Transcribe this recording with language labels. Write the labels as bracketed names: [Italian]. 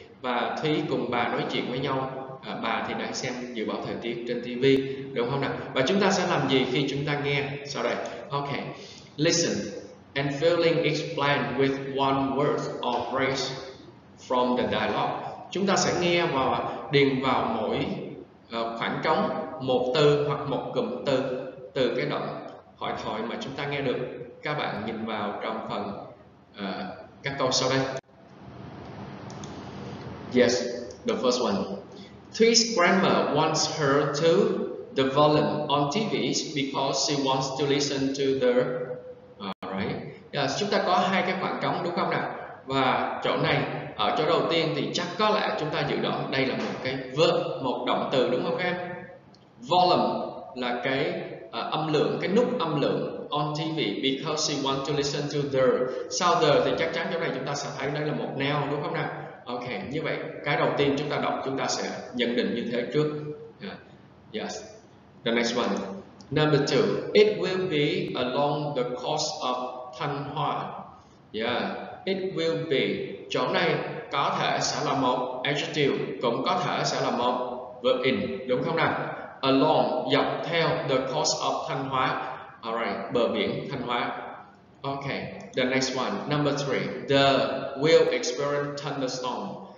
[Vietnamese] Và Thúy cùng bà nói chuyện với nhau. Bà thì đang xem dự báo thời tiết trên TV, đúng không nào? Và chúng ta sẽ làm gì khi chúng ta nghe sau đây? [English] Okay, listen and feeling explained with one word or phrase from the dialogue. [Vietnamese] Chúng ta sẽ nghe và điền vào mỗi khoảng trống một từ hoặc một cụm từ từ cái đoạn hội thoại mà chúng ta nghe được. Các bạn nhìn vào trong phần các câu sau đây. [English] Yes, the first one. Thuy's grandma wants her to the volume on TV because she wants to listen to the right. [Vietnamese] Yes, chúng ta có hai cái khoảng trống đúng không nào? Và chỗ này, ở chỗ đầu tiên thì chắc có lẽ chúng ta dự đoán đây là một cái verb, một động từ đúng không em? [English] Volume [Vietnamese] là cái âm lượng, [English] cái nút âm lượng on TV because she wants to listen to the. [Vietnamese] Sau the thì chắc chắn chỗ này chúng ta sẽ thấy đây là một noun đúng không nào? Ok, như vậy cái đầu tiên chúng ta đọc chúng ta sẽ nhận định như thế trước. [English] Yes. The next one. Number two. It will be along the coast of Thanh Hoa. Yeah. It will be. [Vietnamese] Chỗ này có thể sẽ là một adjective, cũng có thể sẽ là một verb in, đúng không nào? [English] Along, [Vietnamese] dọc theo [English] the coast of Thanh Hoa. Alright, [Vietnamese] bờ biển Thanh Hoa. [English] Ok, the next one, number three, the will experience thunderstorm.